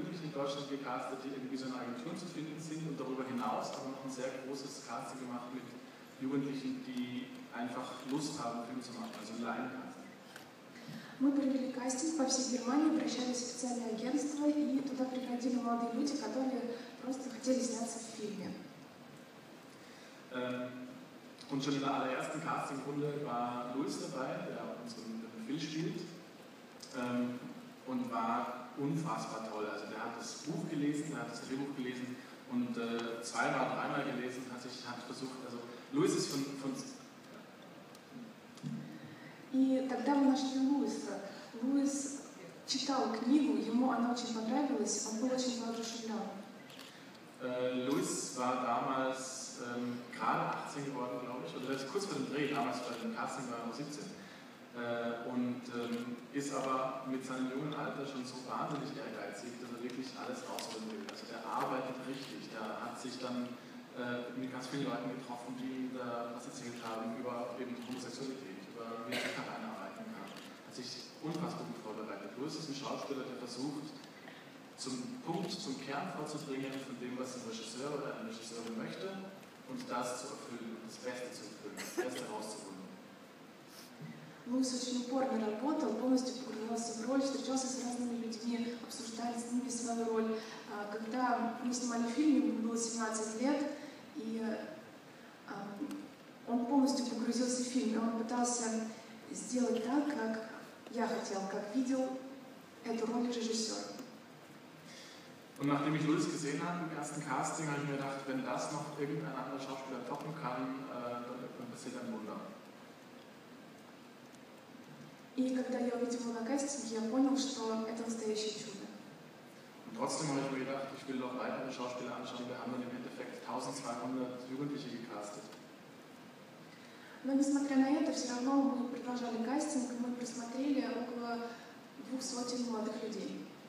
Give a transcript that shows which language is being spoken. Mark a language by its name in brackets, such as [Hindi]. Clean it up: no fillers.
[German] Deutschland gecastet, die irgendwie so in Agenturen zu finden sind und darüber hinaus haben wir noch ein sehr großes Casting gemacht mit Jugendlichen, die einfach Lust haben, Film zu machen, also leihen kann. [Russian] Мы провели кастинг по всей Германии, обращались в специальное агентство, и туда приходили молодые люди, которые просто хотели сняться в фильме. [German] Und schon in der allerersten Castingrunde war Luis dabei, der unseren Film spielt, und war unfassbar toll. Also der hat das Buch gelesen, er hat das Drehbuch gelesen und zweimal, dreimal gelesen, hat versucht, also Luis ist von [Russian] И тогда мы нашли Луиса. Луис читал книгу, ему она очень понравилась, он был очень воодушевлен. [German] Луис war damals gerade 18 geworden, glaube ich, oder kurz vor dem Dreh, damals bei dem Casting war er 17, und ist aber mit seinem jungen Alter schon so wahnsinnig ehrgeizig, dass er wirklich alles rausholen will. Also er arbeitet richtig, er hat sich dann mit ganz vielen Leuten getroffen, die ihm da was erzählt haben über eben Homosexualität. Wie er sich alleine arbeiten kann. Hat sich unfassbar gut vorbereitet. Louis ist ein Schauspieler, der versucht, zum Punkt, zum Kern vorzubringen, von dem, was ein Regisseur oder eine Regisseurin möchte, und das zu erfüllen, das Beste zu erfüllen, das Beste rauszuholen. [Russian] Louis [German] hat [Russian] очень упорно работал, полностью погрузился в роль, встречался с разными людьми, обсуждали с ними свою роль. Когда мы снимали фильм, ему было 17 лет, и он полностью погрузился в фильм, и он пытался сделать так, как я хотел, как видел эту роль режиссера. [German] Und nachdem ich Louis gesehen habe im ersten Casting, habe ich mir gedacht, wenn das noch irgendein anderer Schauspieler toppen kann, dann passiert ein Wunder. [Russian] И когда я увидел его на кастинге, я понял, что это настоящее чудо. [German] Und trotzdem habe ich mir gedacht, ich will noch weitere Schauspieler anschauen. Wir haben dann im Endeffekt 1200 Jugendliche gecastet. [Russian] Но несмотря на это, все равно мы продолжали кастинг, мы просмотрели около 200 молодых людей.